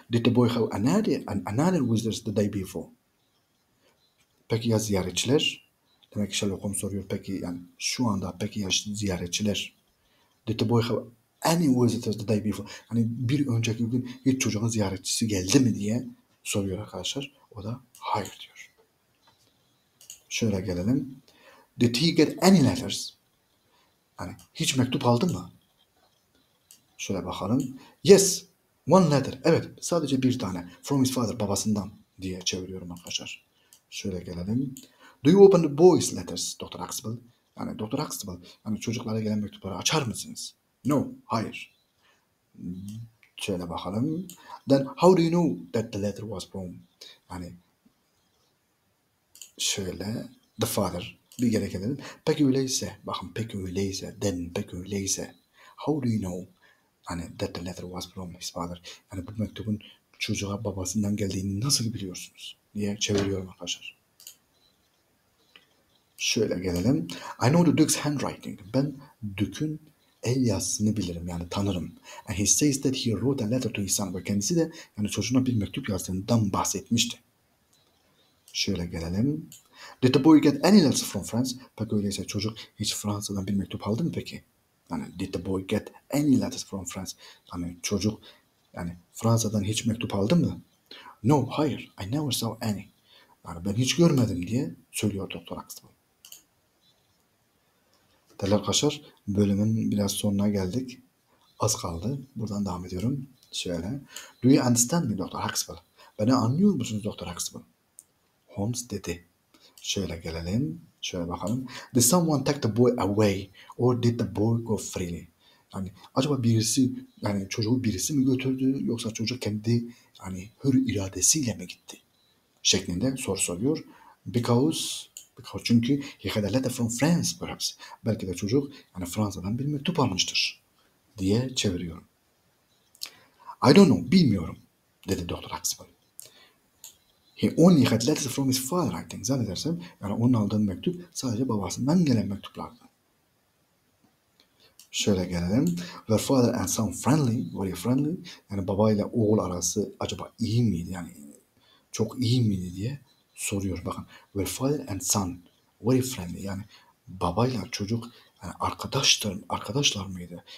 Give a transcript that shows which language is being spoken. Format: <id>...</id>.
<en>Did the boy have another visitors the day before?</en> <tr>Peki ya ziyaretçiler? Demek ki Sherlock Holmes soruyor. Peki yani şu anda peki ya ziyaretçiler?</tr> <en>Did the boy have any visitors the day before?</en> <tr>Hani bir önceki gün hiç çocuğun ziyaretçisi geldi mi diye soruyor arkadaşlar. O da hayır diyor. Şöyle gelelim.</tr> <en>Did he get any letters?</en> <tr>Hani hiç mektup aldı mı? Şöyle bakalım.</tr> <en>Yes, one letter.</en> <tr>Evet, sadece bir tane.</tr> <en>From his father,</en> <tr>babasından diye çeviriyorum arkadaşlar. Şöyle gelelim.</tr> <en>Do you open the boy's letters,</en> <tr>Dr. Huxtable? Yani Dr. Huxtable, yani çocuklara gelen mektupları açar mısınız? No, hayır. Şöyle bakalım.</tr> <en>Then how do you know that the letter was from?</en> <tr>Yani şöyle,</tr> <en>the father.</en> <tr>Bir kere gelelim. Peki öyleyse, bakın peki öyleyse, then peki öyleyse.</tr> <en>How do you know yani that the letter was from his father?</en> <tr>Yani bu mektubun çocuğa babasından geldiğini nasıl biliyorsunuz diye çeviriyorum arkadaşlar. Şöyle gelelim.</tr> <en>I know the Duke's handwriting.</en> <tr>Ben Duke'un el yazısını bilirim. Yani tanırım.</tr> <en>And he says that he wrote a letter to his son.</en> <tr>Ve kendisi de yani çocuğuna bir mektup yazdığından bahsetmişti. Şöyle gelelim.</tr> <en>Did the boy get any letters from France?</en> <tr>Peki öyleyse çocuk hiç Fransa'dan bir mektup aldı mı peki?</tr> <en>Yani did the boy get any letters from France?</en> <tr>Yani çocuk yani Fransa'dan hiç mektup aldı mı? No, hayır.</tr> <en>I never saw any.</en> <tr>Yani ben hiç görmedim diye söylüyor Dr. Huxtable. Değerli arkadaşlar, bölümün biraz sonuna geldik. Az kaldı. Buradan devam ediyorum. Şöyle.</tr> <en>Do you understand me, Dr. Huxtable?</en> <tr>Beni anlıyor musunuz, Dr. Huxtable? Holmes dedi. Şöyle gelelim. Şöyle bakalım.</tr> <en>Did someone take the boy away? Or did the boy go freely?</en> <tr>Yani acaba birisi, yani çocuğu birisi mi götürdü? Yoksa çocuk kendi hani hür iradesiyle mi gitti? Şeklinde soru soruyor.</tr> <en>Because çünkü he had a letter from France perhaps.</en> <tr>Belki de çocuk yani Fransa'dan bir mektup almıştır diye çeviriyorum.</tr> <en>I don't know,</en> <tr>bilmiyorum dedi</tr> <en>Dr. Huxtable. He only had letters from his father, I think.</en> <tr>Zannedersem yani onun aldığı mektup sadece babasından gelen mektuplardı. Şöyle gelelim.</tr> <en>Were father and son friendly? Were you friendly?</en> <tr>Yani baba ile oğul arası acaba iyi miydi? Yani çok iyi miydi diye soruyor. Bakın.</tr> <en>Were father and son very friendly?</en> <tr>Yani babayla çocuk yani arkadaşlar mıydı?</tr>